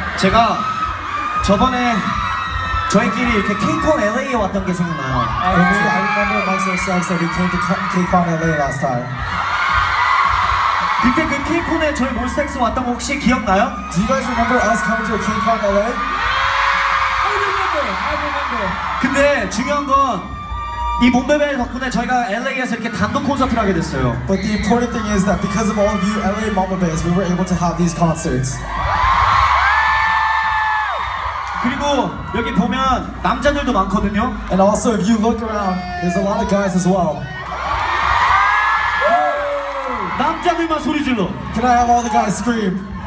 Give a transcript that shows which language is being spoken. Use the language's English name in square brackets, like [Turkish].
[Korean] 제가 저번에 저희끼리 이렇게 KCON LA에 왔던 게 생각나요. [English] I remember myself said we came to KCON LA last time. [Korean] 그때 그 KCON에 저희 몬스타엑스 왔던 거 혹시 기억나요? [English] Do you guys remember us coming to KCON LA? I remember. [Korean] 근데 중요한 건 이 몬베베 덕분에 저희가 LA에서 이렇게 단독 콘서트를 하게 됐어요. [English] But the important thing is that because of all of you LA Mambabes, we were able to have these concerts. [Korean] 그리고 여기 보면 남자들도 많거든요. [English] And also if you look around, there's a lot of guys as well. [Korean] 남자들만 소리 질러. [English] Can I have all the guys scream?